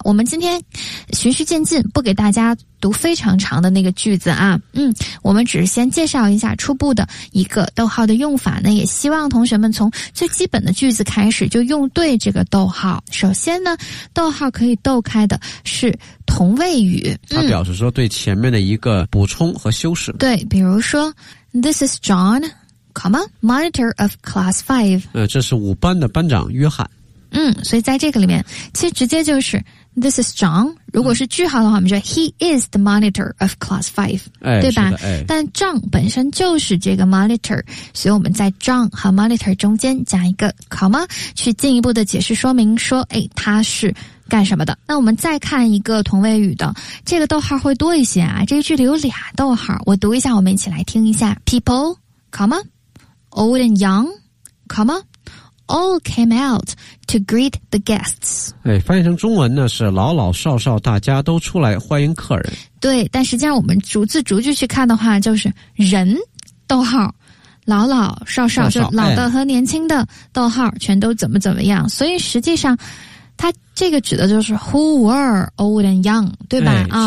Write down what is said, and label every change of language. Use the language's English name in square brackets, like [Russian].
[Chinese] 我们今天循序渐进，不给大家读非常长的那个句子啊，我们只是先介绍一下初步的一个逗号的用法呢，也希望同学们从最基本的句子开始就用对这个逗号。首先呢，逗号可以逗开的是同位语，它表示说对前面的一个补充和修饰。对，比如说 [English] This is John, comma, monitor of class 5. [Chinese] 这是五班的班长约翰。所以在这个里面其实直接就是 [English] This is John. [Chinese] 如果是句号的话，我们说 [English] He is the monitor of class 5, [Chinese] 对吧？但 John 本身就是这个 monitor, 所以我们在 John 和 monitor 中间加一个 comma, 去进一步的解释说明说，他是干什么的。那我们再看一个同位语的，这个逗号会多一些啊，这个句里有俩逗号，我读一下，我们一起来听一下。 [English] People, comma, old and young, comma,All came out to greet the guests. [Chinese] 翻译成中文呢是老老少少大家都出来欢迎客人。对，但实际上我们逐字逐句去看的话，就是人逗号，老老少少就老的和年轻的逗号全都怎么怎么样。所以实际上它这个指的就是 [English] who were old and young, [Chinese] 对吧？